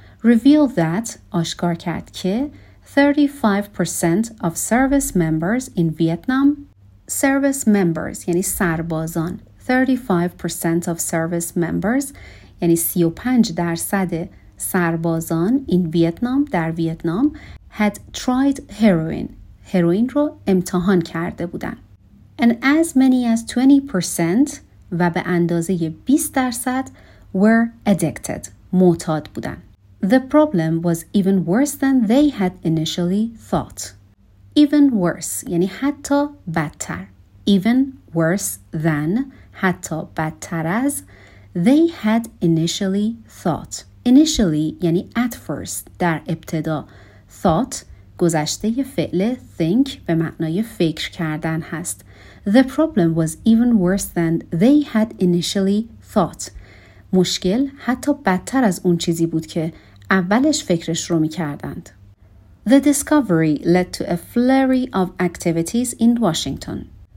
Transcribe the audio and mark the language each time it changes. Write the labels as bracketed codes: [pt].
[en] Reveal that [fa] آشکار کرد که [en] 35% of service members in Vietnam service members [fa] یعنی سربازان [en] 35% of service members [fa] یعنی 35% سربازان [en] in Vietnam [fa] در ویتنام [en] had tried heroin [fa] رو امتحان کرده بودن. [en] And as many as 20% [fa] و به اندازه 20% [en] were addicted [fa] معتاد بودن. [en] The problem was even worse than they had initially thought. [fa] Even worse یعنی حتی بدتر. [en] Even worse than [fa] حتی بدتر از [en] they had initially thought. [fa] Initially یعنی at first در ابتدا. Thought گذشته فعل think به معنای فکر کردن هست. [en] The problem was even worse than they had initially thought. [fa] مشکل حتی بدتر از اون چیزی بود که اولش فکرش رو می‌کردند. [en] The discovery led to a flurry of activities in Washington.